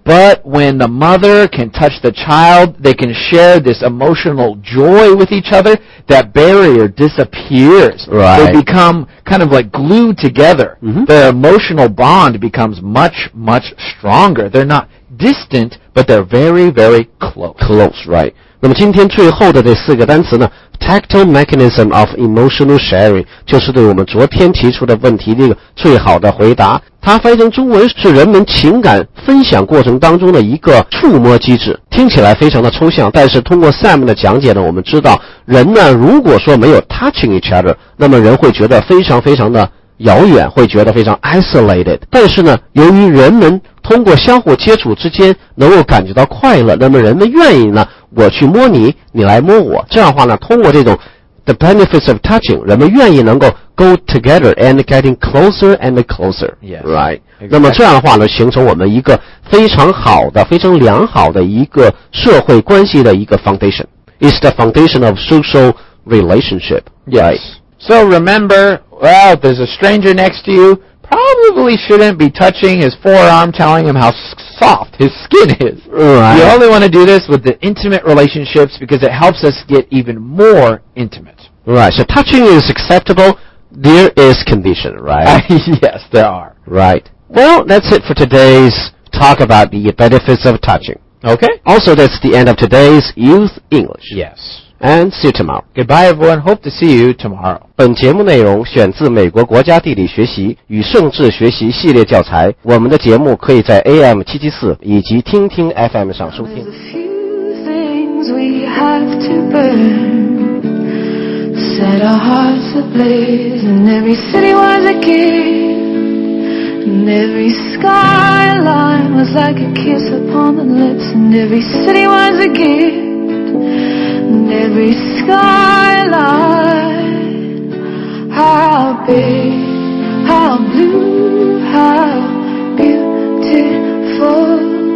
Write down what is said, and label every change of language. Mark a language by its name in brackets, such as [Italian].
[English] But when the mother can touch the child, they can share this emotional joy with each other, that barrier disappears. Right. They become kind of like glued together. Mm-hmm. Their emotional bond becomes much, much stronger. They're not distant, but they're very, very close. Close, right. [Chinese] 那么今天最后的这四个单词呢 [English] tactile mechanism of emotional sharing, [Chinese] 就是对我们昨天提出的问题的一个最好的回答。它翻译成中文是人们情感分享过程当中的一个触摸机制，听起来非常的抽象，但是通过 Sam 的讲解呢，我们知道人呢如果说没有 [English] touching each other, [Chinese] 那么人会觉得非常非常的遥远，会觉得非常 isolated, 但是呢由于人们通过相互接触之间能够感觉到快乐，那么人们愿意呢我去摸你，你来摸我，这样的话呢通过这种 [English] the benefits of touching, [Chinese] 人们愿意能够 [English] go together and getting closer and closer. [Chinese] Yes, right. Exactly. 那么这样的话呢形成我们一个非常好的非常良好的一个社会关系的一个 foundation. [English] It's the foundation of social relationship. Yes. Right. So remember, well, if there's a stranger next to you, probably shouldn't be touching his forearm, telling him how soft his skin is. Right. You only want to do this with the intimate relationships because it helps us get even more intimate. Right, so touching is acceptable. There is condition, right? Yes, there are. Right. Well, that's it for today's talk about the benefits of touching. Okay. Also, that's the end of today's Youth English. Yes. And see you tomorrow. Goodbye, everyone. Hope to see you tomorrow. [Chinese] 本节目内容选自美国国家地理学习与政治学习系列教材。我们的节目可以在 AM 774以及听听 FM 上收听。 [English] There's a few things we have to burn. Set our hearts ablaze. And every city was a king. And every skyline was like a kiss upon the lips. And every city was a king. Every skyline, how big, how blue, how beautiful.